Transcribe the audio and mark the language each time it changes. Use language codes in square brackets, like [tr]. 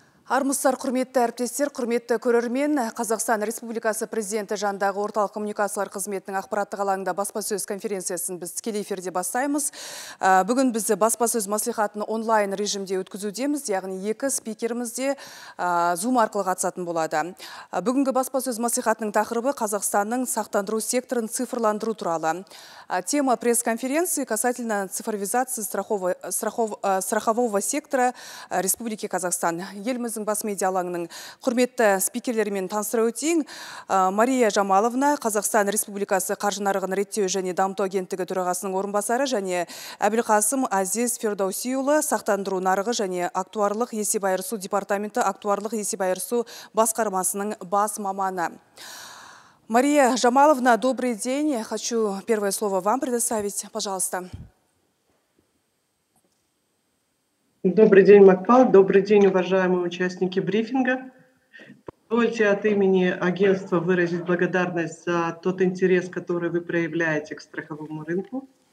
[kk] Армысыздар, құрметті әріптестер, құрметті көрермен. Қазақстан Республикасы президенті жанындағы орталық коммуникациялар қызметінің ақпараттық алаңында баспасөз конференциясын біз тікелей эфирде бастаймыз. Бүгін біз баспасөз мәслихатын онлайн режимде өткізудеміз, яғни екі спикеріміз де Zoom арқылы қатысатын болады. Бүгінгі баспасөз мәслихатының тақырыбы Қазақстанның сақтандыру секторын цифрландыру туралы. [ru] Тема пресс-конференции касательно цифровизации страхового сектора Республики Казахстан. [kk] Еліміздің бас медиалаңының құрметті спикерлерімен таныстыра өтейін. Мария Жамаловна, Қазақстан Республикасы қаржы нарығын реттеу және дамыту агенттігі төрағасының орынбасары, және Әбілқасым Азиз Фердаусиұлы, сақтандыру нарығы және актуарлық есеп айырысу департаменті актуарлық есеп айырысу басқармасының бас маманы. [ru] Мария Жамаловна, добрый день. Хочу первое слово вам предоставить, пожалуйста. Добрый день, Макпал. Добрый день, уважаемые участники брифинга. Позвольте от имени агентства выразить благодарность за тот интерес, который вы проявляете к страховому рынку.